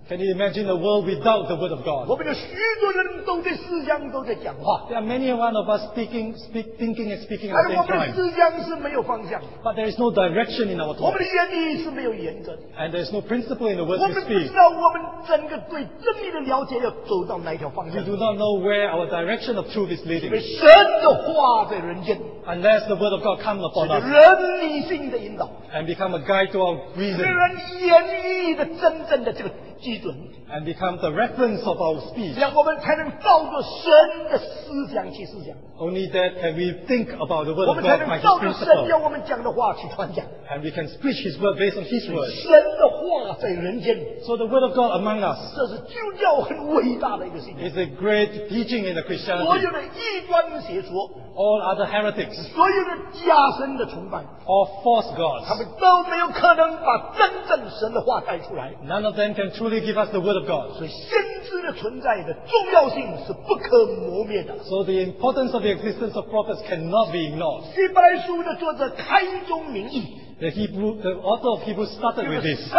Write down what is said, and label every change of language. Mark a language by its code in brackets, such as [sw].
[en] Can you imagine a world without the word of God? [zh] 我们有许多人都在思想都在讲话。 [en] There are many one of us thinking and speaking at the same time. [zh] 我们的思想是没有方向。 [en] But there is no direction in our talk. [zh] 我们的言语是没有原则。 [en] And there is no principle in the words we speak. [zh] 我们不知道我们整个对真理的了解要走到哪一条方向。 [en] We do not know where our direction of truth is leading. [zh] 神的话在人间。 [en] Unless the word of God comes upon us. [zh] 人理性的引导。 [en] And become a guide to our reason. [zh] 人言语的真正的这个。 [en] And become the reference of our speech. [zh] 让我们才能照着神的思想去思想。 [en] Only that can we think about the word of God. [zh] 我们才能照着神要我们讲的话去传讲。 [en] And we can speak His word based on His word. [zh] 神的话在人间。 [en] So the word of God among us. [zh] 这是基督教很伟大的一个信仰。 [en] It's a great teaching in the Christianity. [zh] 所有的异端邪说。 [en] All other heretics. [zh] 所有的假神的崇拜。 [en] All false gods. [zh] 他们都没有可能把真正神的话带出来。 [en] None of them can truly give us the word of God. [zh] 所以先知的存在的重要性是不可磨灭的。 [en] So the importance of the existence of prophets cannot be ignored. [zh] 希伯来书的作者开宗明义。 [en] The author of Hebrews started with this.